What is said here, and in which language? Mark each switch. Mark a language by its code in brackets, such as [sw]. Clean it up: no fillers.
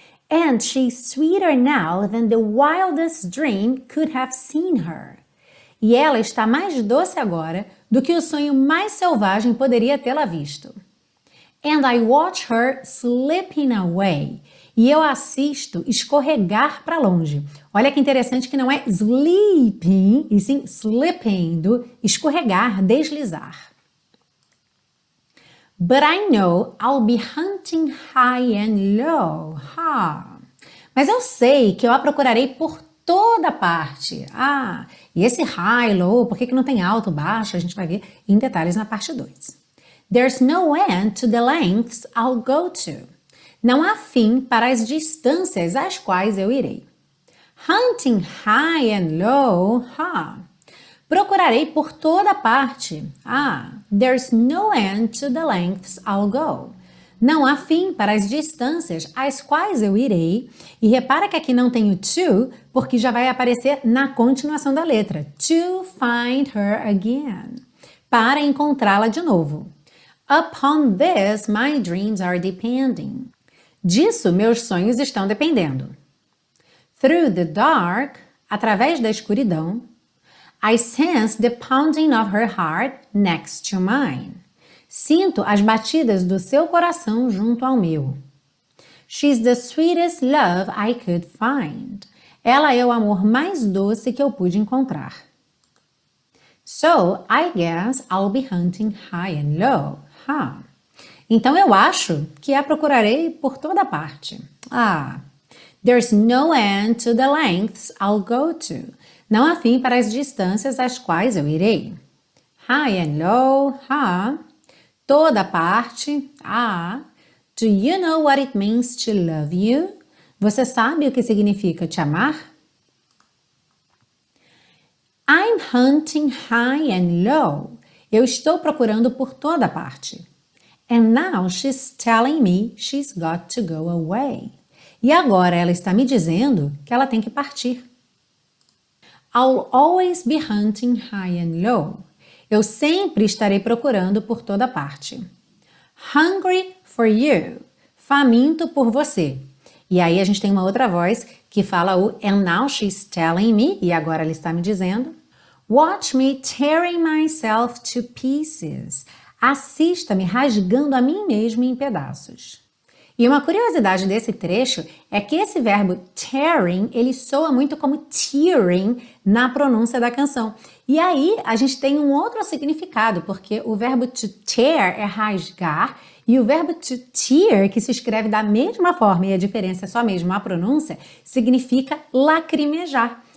[en] And she's sweeter now than the wildest dream could have seen her. [pt] E ela está mais doce agora do que o sonho mais selvagem poderia tê-la visto. [en] And I watch her slipping away. [pt] E eu assisto escorregar para longe. Olha que interessante que não é sleeping, e sim slipping, escorregar, deslizar. [en] But I know I'll be hunting high and low, ha. [pt] Mas eu sei que eu a procurarei por toda parte. Ah, e esse high, low, por que que não tem alto, baixo? A gente vai ver em detalhes na parte 2. [en] There's no end to the lengths I'll go to. [pt] Não há fim para as distâncias às quais eu irei. [en] Hunting high and low, ha. [pt] Procurarei por toda parte. [en] Ah, there's no end to the lengths I'll go. [pt] Não há fim para as distâncias às quais eu irei. E repara que aqui não tem o to, porque já vai aparecer na continuação da letra. [en] To find her again. [pt] Para encontrá-la de novo. [en] Upon this, my dreams are depending. [pt] Disso, meus sonhos estão dependendo. [en] Through the dark, [pt] através da escuridão, [en] I sense the pounding of her heart next to mine. [pt] Sinto as batidas do seu coração junto ao meu. [en] She's the sweetest love I could find. [pt] Ela é o amor mais doce que eu pude encontrar. [en] So, I guess I'll be hunting high and low. [pt] Ah, então eu acho que a procurarei por toda parte. [en] Ah, there's no end to the lengths I'll go to. [pt] Não há fim para as distâncias às quais eu irei. [en] High and low, ha. [pt] Toda parte. [en] Ah, do you know what it means to love you? [pt] Você sabe o que significa te amar? [en] I'm hunting high and low. [pt] Eu estou procurando por toda parte. [en] And now she's telling me she's got to go away. [pt] E agora ela está me dizendo que ela tem que partir. [en] I'll always be hunting high and low. [pt] Eu sempre estarei procurando por toda parte. [en] Hungry for you. [pt] Faminto por você. E aí a gente tem uma outra voz que fala o [en] and now she's telling me, [pt] e agora ela está me dizendo. [en] Watch me tearing myself to pieces. [pt] Assista-me rasgando a mim mesmo em pedaços. E uma curiosidade desse trecho é que esse verbo tearing, ele soa muito como tearing na pronúncia da canção. E aí a gente tem um outro significado, porque o verbo to tear é rasgar e o verbo to tear, que se escreve da mesma forma e a diferença é só mesmo a pronúncia, significa lacrimejar.